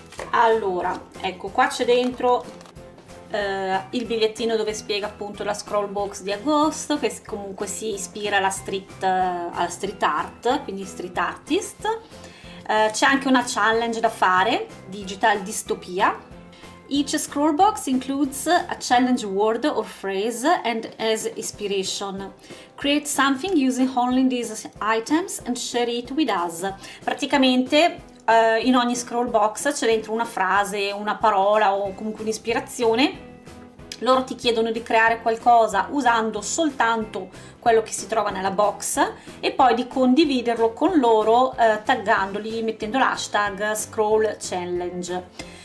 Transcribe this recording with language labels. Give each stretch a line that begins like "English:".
Italian: Allora, ecco qua c'è dentro il bigliettino dove spiega appunto la scroll box di agosto, che comunque si ispira alla street art, quindi street artist. C'è anche una challenge da fare, Digital Dystopia.
English: Each scroll box includes a challenge word or phrase and as inspiration. Create something using only these items and share it with us.
Italian: Praticamente in ogni scroll box c'è dentro una frase, una parola o comunque un'ispirazione. Loro ti chiedono di creare qualcosa usando soltanto quello che si trova nella box e poi di condividerlo con loro taggandoli, mettendo l'hashtag scroll challenge.